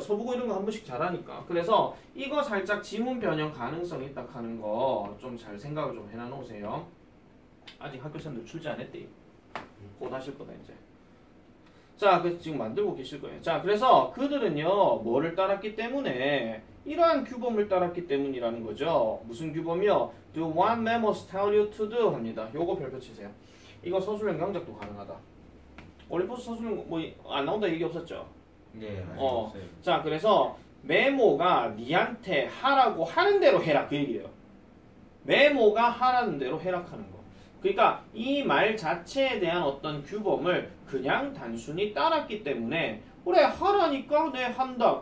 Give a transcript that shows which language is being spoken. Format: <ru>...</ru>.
<ko>서부고 이런 거한 번씩 잘하니까. 그래서 이거 살짝 지문 변형 가능성 있다 하는 거좀잘 생각을 좀 해놔 놓으세요. 아직 학교생들 출제 안 했대. 곧 하실 거다, 이제. 자, 그래서 지금 만들고 계실 거예요. 자, 그래서 그들은요, 뭐를 따랐기 때문에, 이러한 규범을 따랐기 때문이라는 거죠. 무슨 규범이요?</ko> <en>Do what memos tell you to do</en> <ko>합니다. 요거 별표 치세요. 이거 서술형 강작도 가능하다. 올림푸스 서술형 뭐, 안 나온다 얘기 없었죠? 네, 어, 아직 없어요. 자, 그래서 메모가 니한테 하라고 하는 대로 해라 그 얘기예요. 메모가 하라는 대로 해라 하는 거. 그러니까 이말 자체에 대한 어떤 규범을 그냥 단순히 따랐기 때문에 그래 하라니까 내 네, 한다.</ko>